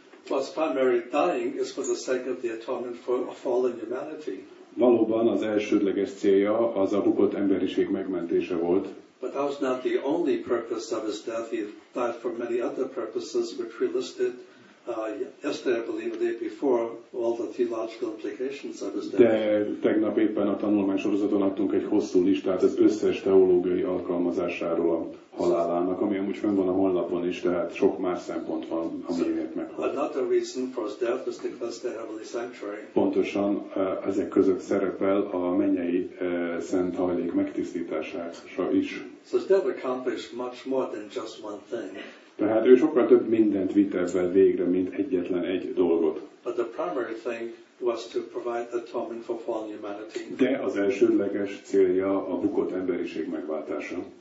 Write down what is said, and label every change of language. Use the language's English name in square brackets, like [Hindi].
[English] Well, primary dying is for the sake of the atonement for fallen humanity. [Hungarian] Valóban az elsődleges célja az a bukott emberiség megmentése volt. [English] But that was not the only purpose of his death. He died for many other purposes, which we listed yesterday, I believe, the day before, all the theological implications of his death. [Hungarian] De tegnap éppen a tanulmány sorozaton adtunk egy hosszú listát az összes teológiai alkalmazásáról a halálának, ami amúgy fenn van a honlapon is, tehát sok más szempont van, amiért meghalt. [English] Another reason for his death was to cleanse the heavenly sanctuary. [Hungarian] Pontosan ezek között szerepel a mennyei szent hajlék megtisztítása is. [English] So his death accomplished much more than just one thing. [Hungarian] Tehát ő sokkal több mindent vitt ezzel végre, mint egyetlen egy dolgot. [English] But the primary thing was to provide atonement for fallen humanity. [Hungarian] De az elsődleges célja a bukott emberiség megváltása.